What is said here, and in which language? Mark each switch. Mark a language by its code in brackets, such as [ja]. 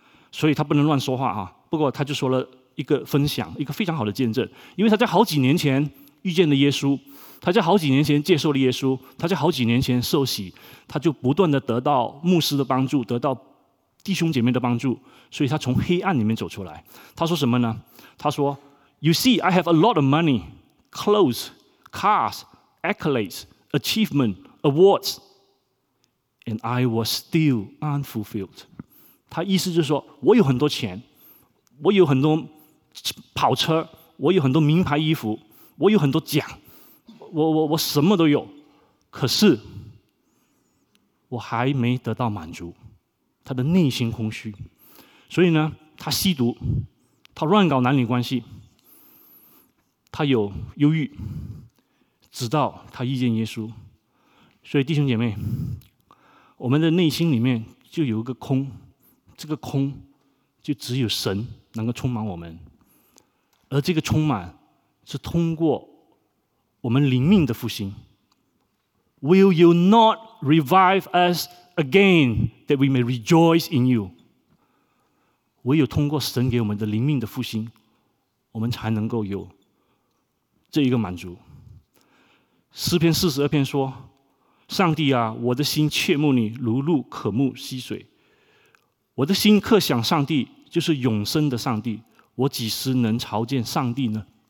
[zh] 所以他不能乱说话啊，不过他就说了一个分享，一个非常好的见证。因为他在好几年前遇见了耶稣，他在好几年前接受了耶稣，他在好几年前受洗，他就不断地得到牧师的帮助，得到弟兄姐妹的帮助，所以他从黑暗里面走出来。他说什么呢？他说 [en] You see, I have a lot of money, clothes, cars, accolades, achievement, awards, and I was still unfulfilled. [zh] 他意思就是说，我有很多钱，我有很多跑车，我有很多名牌衣服，我有很多奖，我什么都有，可是我还没得到满足，他的内心空虚。所以呢，他吸毒，他乱搞男女关系，他有忧郁，直到他遇见耶稣。所以弟兄姐妹，我们的内心里面就有一个空，这个空就只有神能够充满我们，而这个充满是通过我们灵命的复兴。 [en] Will you not revive us again that we may rejoice in you？ [zh] 唯有通过神给我们的灵命的复兴，我们才能够有这一个满足。诗篇四十二篇说，上帝啊，我的心切慕你，如露渴慕溪水。我的心刻想上帝，就是永生的上帝，我几时能朝见上帝呢？